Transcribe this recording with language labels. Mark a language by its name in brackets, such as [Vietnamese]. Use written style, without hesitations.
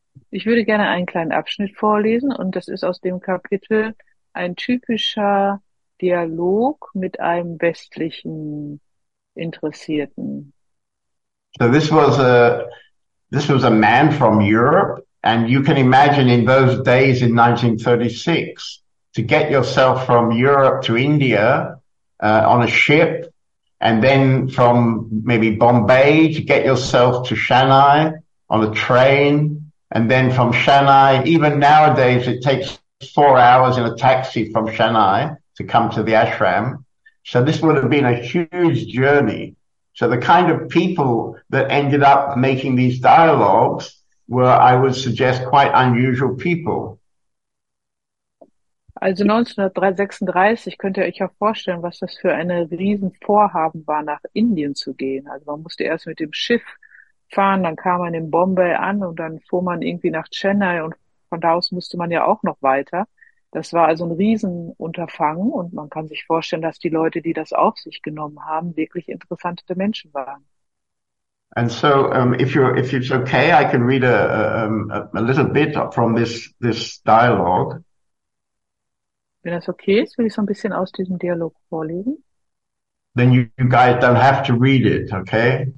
[German] Ich würde gerne einen kleinen Abschnitt vorlesen und das ist aus dem Kapitel ein typischer Dialog mit einem westlichen Interessierten. [English] So this was a man from Europe and you can imagine in those days in 1936 to get yourself from Europe to India on a ship and then from maybe Bombay to get yourself to Chennai on a train. And then from Chennai, even nowadays, it takes 4 hours in a taxi from Chennai to come to the ashram. So this would have been a huge journey. So the kind of people that ended up making these dialogues were, I would suggest, quite unusual people. [German] Also 1936, könnt ihr euch ja vorstellen, was das für eine Riesenvorhaben war, nach Indien zu gehen. Also man musste erst mit dem Schiff fahren, dann kam man in Bombay an und dann fuhr man irgendwie nach Chennai und von da aus musste man ja auch noch weiter. Das war also ein Riesenunterfangen und man kann sich vorstellen, dass die Leute, die das auf sich genommen haben, wirklich interessante Menschen waren. [English] And so, if it's okay, I can read a little bit from this dialogue. [German] Wenn das okay ist, will ich so ein bisschen aus diesem Dialog vorlesen. [English] Then you guys don't have to read it, okay?